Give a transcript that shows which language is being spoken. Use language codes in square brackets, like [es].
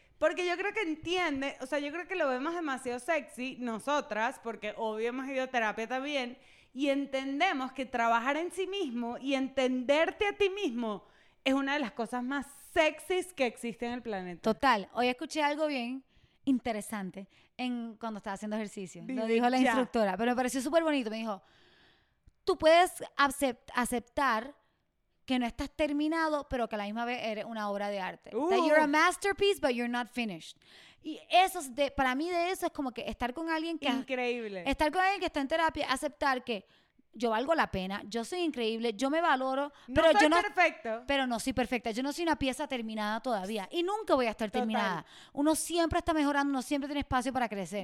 [es] Porque yo creo que entiende, o sea, yo creo que lo vemos demasiado sexy nosotras, porque obvio hemos ido a terapia también, y entendemos que trabajar en sí mismo y entenderte a ti mismo es una de las cosas más sexys que existe en el planeta. Total, hoy escuché algo bien interesante cuando estaba haciendo ejercicio, lo dijo la instructora, pero me pareció súper bonito, me dijo, tú puedes aceptar que no estás terminado, pero que a la misma vez eres una obra de arte. [en] That you're a masterpiece, but you're not finished. [es] Y eso, para mí de eso, es como que estar con alguien que... Increíble. Estar con alguien que está en terapia, aceptar que yo valgo la pena, yo soy increíble, yo me valoro, pero no yo no... soy perfecto. Pero no soy perfecta, yo no soy una pieza terminada todavía. Y nunca voy a estar terminada. Total. Uno siempre está mejorando, uno siempre tiene espacio para crecer.